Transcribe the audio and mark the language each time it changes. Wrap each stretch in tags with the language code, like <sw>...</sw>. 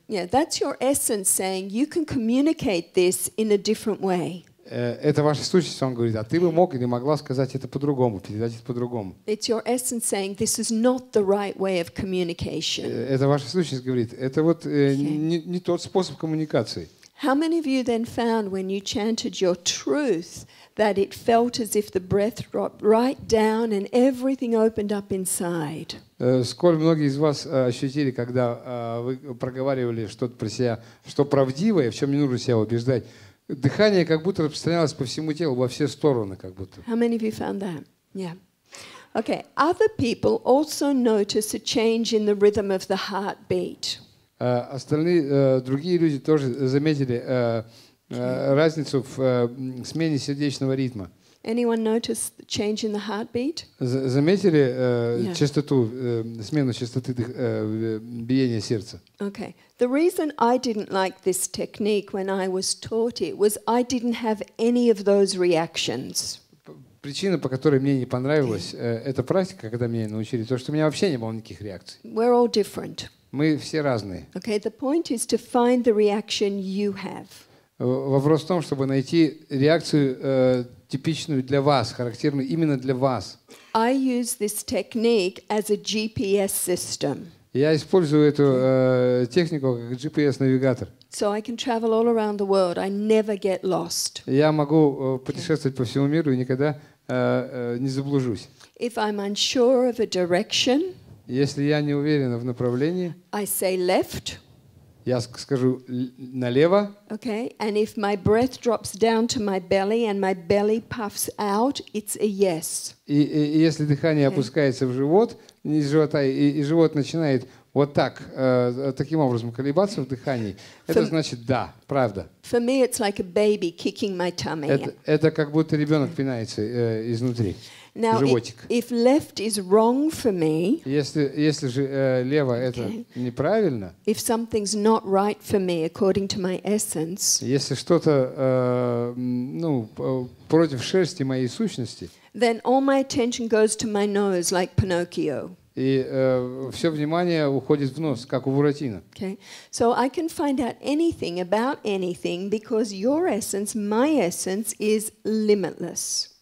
<en>That's your essence saying you can communicate this in a different way.</en> <ru>Это ваша сущность, он говорит, а ты бы мог или могла сказать это по-другому, передать это по-другому.</ru> <en>It's your essence saying this is not the right way of communication.</en> <ru>Это ваша сущность говорит, это вот не тот способ коммуникации.</ru> <en>How many of you then found when you chanted your truth that it felt as if the breath dropped right down and everything opened up inside?</en> <ru>Сколько многие из вас ощутили, когда вы проговаривали что-то про себя, что правдивое, в чем не нужно себя убеждать, дыхание как будто распространялось по всему телу, во все стороны как будто.</ru> <en>How many of you found that? Yeah. Okay. Other people also notice a change in the rhythm of the heartbeat.</en> <ru>Остальные другие люди тоже заметили разницу в смене сердечного ритма.</ru> <en>Anyone notice the change in the heartbeat?</en> <ru>Заметили частоту, смену частоты биения сердца?</ru> <en>Okay. The reason I didn't like this technique when I was taught it was I didn't have any of those reactions.</en> <ru>Причина, по которой мне не понравилась эта практика, когда меня научили, то, что у меня вообще не было никаких реакций.</ru> <en>We're all different.</en> <ru>Мы все разные.</ru> <en>Okay. The point is to find the reaction you have.</en> <ru>Вопрос в том, чтобы найти реакцию типичную для вас, характерную именно для вас.</ru> <en>I use this technique as a GPS system.</en> <ru>Я использую эту технику как GPS-навигатор.</ru> <en>So I can travel all around the world. I never get lost.</en> <ru>Я могу путешествовать по всему миру и никогда не заблужусь.</ru> <en>If I'm unsure of a direction,</en> <ru>если я не уверен в направлении,</ru> <en>I say left.</en> <ru>Я скажу налево.</ru> <en>Okay, and if my breath drops down to my belly and my belly puffs out, it's a yes.</en> <ru>И если дыхание опускается в живот, из живота и живот начинает вот так таким образом колебаться в дыхании, это значит да, правда.</ru> <en>For me, it's like a baby kicking my tummy.</en> <ru>Это как будто ребенок пинается изнутри.</ru> <en>Now,</en> <ru>животик.</ru> <en>If left is wrong for me,</en> <ru>если же лево это неправильно,</ru> <en>if something's not right for me according to my essence,</en> <ru>если что-то против шерсти моей сущности,</ru> <en>then all my attention goes to my nose, like Pinocchio.</en> <ru>И все внимание уходит в нос, как у Буратино.</ru> <en>Okay, so I can find out anything about anything because your essence, my essence, is limitless.</en>